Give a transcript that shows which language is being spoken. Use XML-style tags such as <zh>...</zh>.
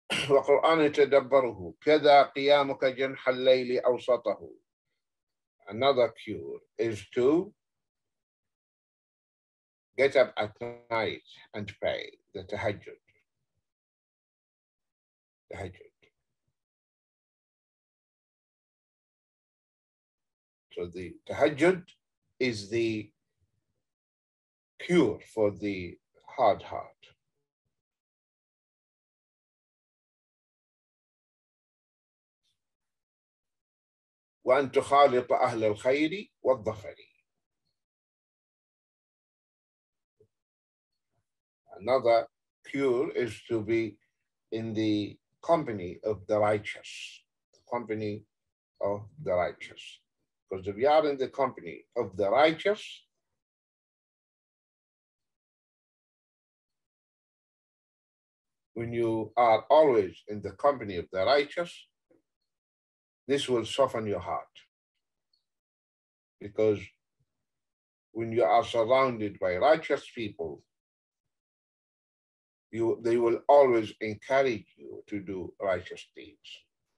<ar>وقرآن تدبره كذا قيامك جنح الليل أوسطه.</ar> <en>Another cure is to get up at night and pray the tahajjud. Tahajjud. So the tahajjud is the cure for the hard heart.</en> <ar>وأن تخالط أهل الخير والظفر.</ar> <en>Another cure is to be in the company of the righteous. The company of the righteous. Because if you are in the company of the righteous, when you are always in the company of the righteous, this will soften your heart, because when you are surrounded by righteous people, they will always encourage you to do righteous deeds.</en>